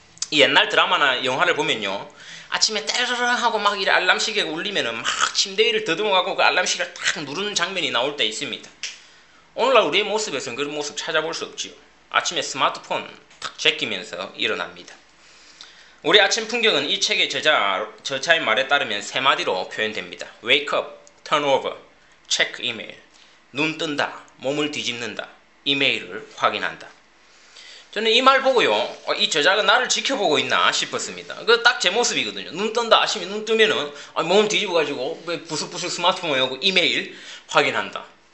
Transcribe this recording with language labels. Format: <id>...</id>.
<ko>이 옛날 드라마나 영화를 보면요. 아침에 떼르르 하고 막 이래 알람시계가 울리면은 막 침대 위를 더듬어가고 그 알람시계를 딱 누르는 장면이 나올 때 있습니다. 오늘날 우리의 모습에서는 그런 모습 찾아볼 수 없지요. 아침에 스마트폰 탁 제끼면서 일어납니다. 우리 아침 풍경은 이 책의 저자의 말에 따르면 세 마디로 표현됩니다.</ko> <en>Wake up, turn over, check email.</en> <ko>눈 뜬다, 몸을 뒤집는다, 이메일을 확인한다. 저는 이말 보고요. 이 저자가 나를 지켜보고 있나 싶었습니다. 그딱제 모습이거든요. 눈 뜬다, 아침에 눈 뜨면은 몸 뒤집어가지고 왜 부슥부슥 스마트폰 하고 이메일 확인한다.</ko>